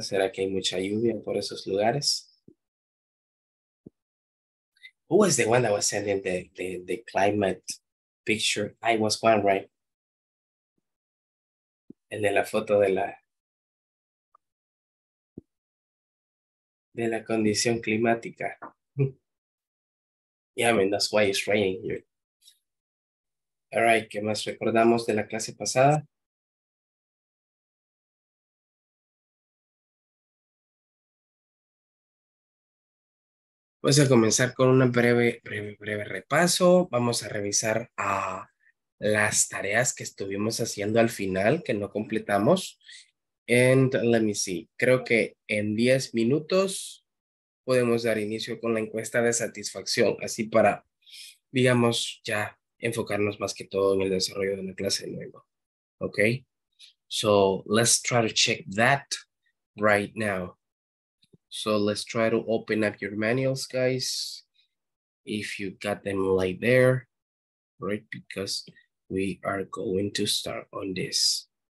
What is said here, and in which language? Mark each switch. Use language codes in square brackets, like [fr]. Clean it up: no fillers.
[es] ¿Será que hay mucha lluvia por esos lugares? [en] Who was the one that was sending the climate picture? I was one, right? [es] El de la foto de la condición climática. [en] Yeah, I mean, that's why it's raining here. All right, [es] ¿qué más recordamos de la clase pasada? Vamos a comenzar con un breve repaso. Vamos a revisar las tareas que estuvimos haciendo al final, que no completamos. [en] And let me see. [es] Creo que en 10 minutos podemos dar inicio con la encuesta de satisfacción. Así para, digamos, ya enfocarnos más que todo en el desarrollo de la clase luego. Ok. [en] So let's try to check that right now. So let's try to open up your manuals, guys. If you got them right there, right? Because we are going to start on this.